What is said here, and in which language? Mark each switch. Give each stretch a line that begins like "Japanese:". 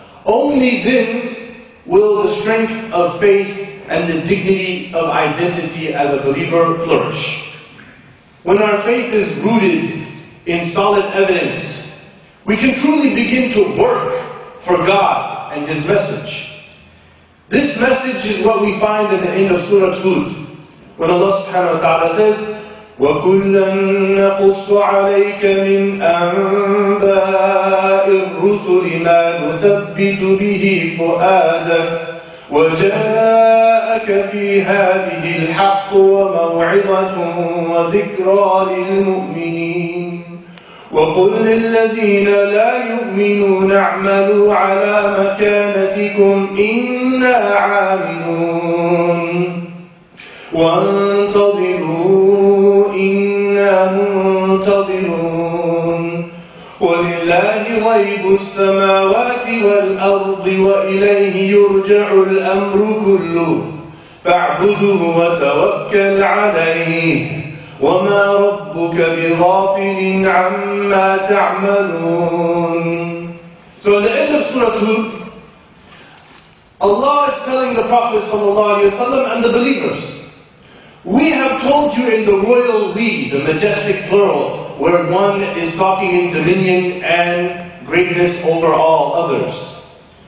English: Only then will the strength of faith and the dignity of identity as a believer flourish. When our faith is rooted in solid evidence, we can truly begin to work for God and His message. This message is what we find in the end of Surah Hud, when Allah subhanahu wa ta'ala says,
Arabic: وَكُلًّا نَقُصُّ عَلَيْكَ مِنْ أَنْبَاءِ الرُّسُلِ مَا نُثَبِّتُ بِهِ فُؤَادَكَ وَجَاءَكَ فِي هَذِهِ الْحَقُّ وَمَوْعِظَةٌ وَذِكْرَى لِلْمُؤْمِنِينَ وَقُلْ لِلَّذِينَ لَا يُؤْمِنُونَ اعْمَلُوا عَلَى مَكَانَتِكُمْ إِنَّا عَامِلُونَ وَانْتَظِرُوا إِنَّا مُنْتَظِرُونَ وَلِلَّهِ غَيْبُ السَّمَاوَاتِ وَالْأَرْضِ وَإِلَيْهِ يُرْجَعُ الْأَمْرُ كُلُّهُ فَاعْبُدُهُ وَتَوَكَّلْ عَلَيْهِ وَمَا رَبُّكَ بِغَافِلٍ عَمَّا تَعْمَلُونَ.
English: So at the end of Surah Hud, Allah is telling the Prophet ﷺ and the believers, we have told you in the royal we, the majestic plural, where one is talking in dominion and greatness over all others.